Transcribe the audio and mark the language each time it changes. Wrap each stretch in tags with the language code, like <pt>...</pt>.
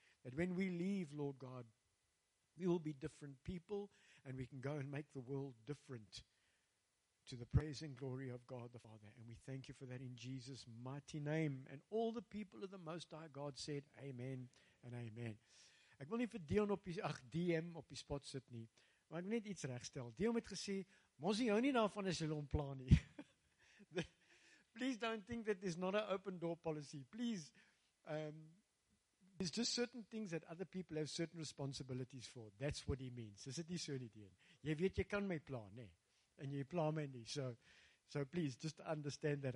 <en>That when we leave, Lord God, we will be different people and we can go and make the world different. To the praise and glory of God the Father. And we thank you for that in Jesus' mighty name. And all the people of the Most High God said, Amen and Amen.</en> <af>Ek wil nie vir Dion op die, ach, DM op die spot sit nie. Maar ek wil net iets regstel. Dion het gesê, mos jy hou nie daarvan as jy hom pla nie.</af> <en>Please don't think that there's not an open door policy. Please, there's just certain things that other people have certain responsibilities for. That's what he means.</en> <af>Is it nie so nie, Dion? Jy weet, jy kan my pla, nee.</af> <en>And you plow many. So please, just understand that.</en>